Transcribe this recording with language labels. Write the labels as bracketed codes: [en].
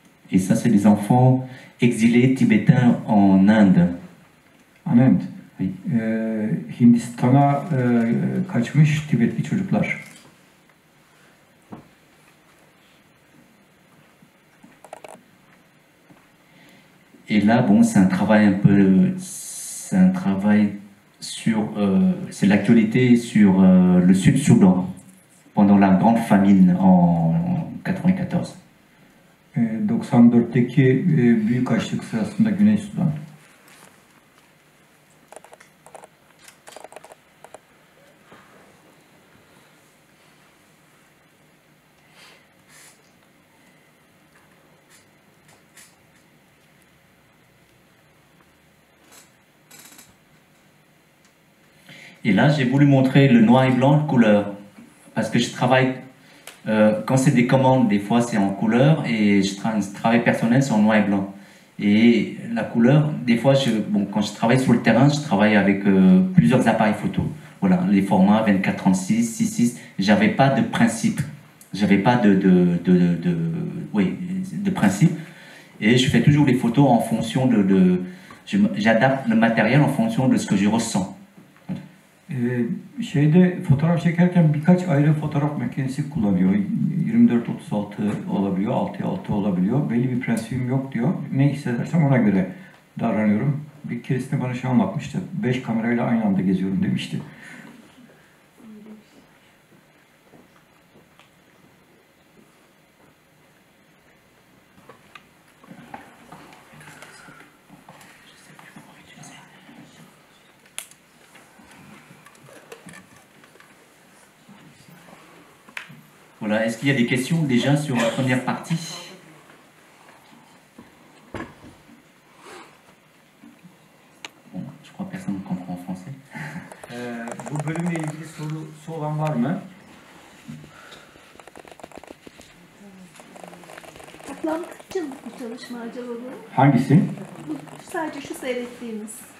[fr] Et ça, c'est des enfants exilés tibétains en Inde. En Inde. Oui. [tr] Hindistan'a kaçmış Tibetli çocuklar. [fr] Et là, bon, c'est un travail un peu, c'est un travail sur, c'est l'actualité sur le Sud-Soudan pendant la grande famine en 94. [tr] 94'teki büyük açlık sırasında Güney Sudan. [fr] Et là, j'ai voulu montrer le noir et blanc, couleur, parce que je travaille, quand c'est des commandes, des fois c'est en couleur, et je travaille personnel, c'est en noir et blanc. Et la couleur, des fois, quand je travaille sur le terrain, je travaille avec plusieurs appareils photo. Voilà, les formats 24-36, 6-6, j'avais pas de principe. J'avais pas de principe. Et je fais toujours les photos en fonction j'adapte le matériel en fonction de ce que je ressens. [tr] Şeyde fotoğraf çekerken birkaç ayrı fotoğraf makinesi kullanıyor. 24-36 olabiliyor, 6-6 olabiliyor. Belli bir prensibim yok diyor. Ne hissedersem ona göre davranıyorum. Bir keresinde bana şey anlatmıştı. 5 kamerayla aynı anda geziyorum demişti. [fr] Voilà, est-ce qu'il y a des questions déjà sur la première partie? Bon, je crois que personne ne comprend en français. [tr] Bu bölümle ilgili soru olan var mı? Toplam kaç yıllık bir çalışma acaba bu? Hangisi? Sadece şu seyrettiğimiz.